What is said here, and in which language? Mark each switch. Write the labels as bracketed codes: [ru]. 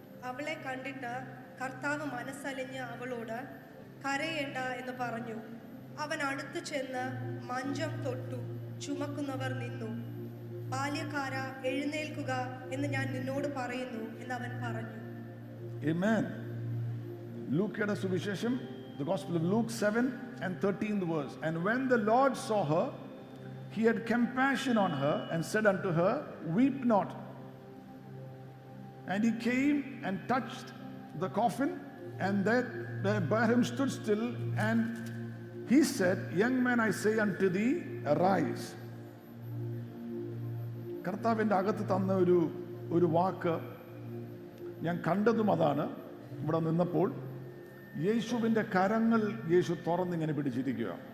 [ml] അവളെ കണ്ടിട്ട് കർത്താവ് മനസ്സലിഞ്ഞ് അവളോട് കരയേണ്ട എന്ന് പറഞ്ഞു. അവൻ അടുത്തു ചെന്ന് മഞ്ചം തൊട്ടു, ചുമക്കുന്നവർ നിന്നു. ബാല്യക്കാര, എഴുന്നേൽക്കുക എന്ന് ഞാൻ നിന്നോട് പറയുന്നു എന്ന് അവൻ പറഞ്ഞു. ആമേൻ. ലൂക്കയുടെ സുവിശേഷം, [en] the gospel of Luke 7 and 13th verse, and when the Lord saw her, he had compassion on her and said unto her, weep not. And he came and touched the coffin, and there by him stood still, and he said, young man, I say unto thee, arise. [ml] കർത്താവിന്റെ അകത്ത് തന്ന ഒരു വാക്ക് ഞാൻ കണ്ടതും അതാണ്. ഇവിടെ നിന്നപ്പോൾ യേശുവിന്റെ കരങ്ങൾ യേശു തുറന്ന് ഇങ്ങനെ പിടിച്ചിരിക്കുക.